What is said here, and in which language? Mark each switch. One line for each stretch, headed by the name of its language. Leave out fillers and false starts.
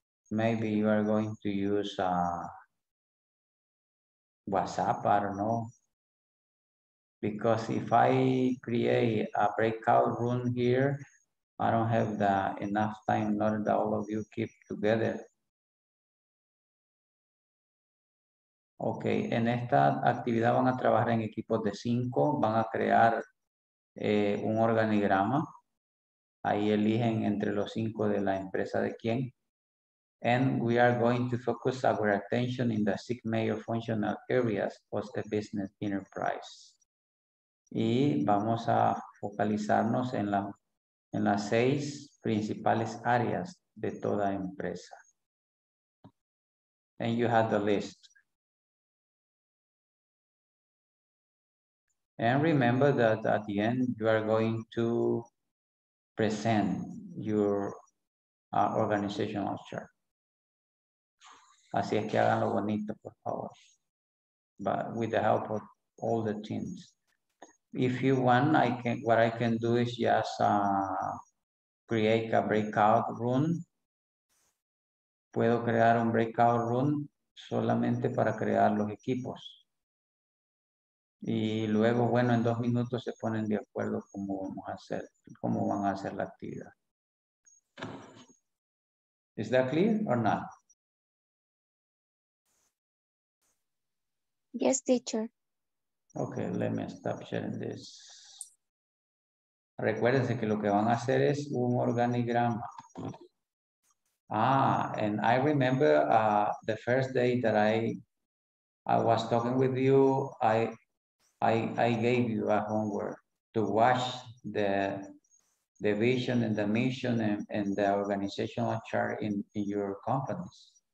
English: Maybe you are going to use WhatsApp, I don't know. Because if I create a breakout room here, I don't have the enough time in order that all of you keep together.
Spanish: Okay, en esta actividad van a trabajar en equipos de 5, van a crear un organigrama. Ahí eligen entre los 5 de la empresa de quién.
English: And we are going to focus our attention in the 6 major functional areas of the business enterprise.
Spanish: Y vamos a focalizarnos en la en las 6 principales áreas de toda empresa.
English: And you have the list. And remember that at the end, you are going to present your organizational chart.
Spanish: Así es que háganlo bonito, por favor.
English: But with the help of all the teams. If you want, I can. What I can do is just create a breakout room.
Spanish: Puedo crear un breakout room solamente para crear los equipos. Y luego, bueno, en 2 minutos se ponen de acuerdo cómo vamos a hacer, cómo van a hacer la actividad.
English: Is that clear or not? Yes, teacher. Okay, let me stop sharing this.
Spanish: Recuérdense que lo que van a hacer es un organigrama.
English: Ah, and I remember the first day that I was talking with you, I gave you a homework to watch the vision and the mission and the organizational chart in your companies.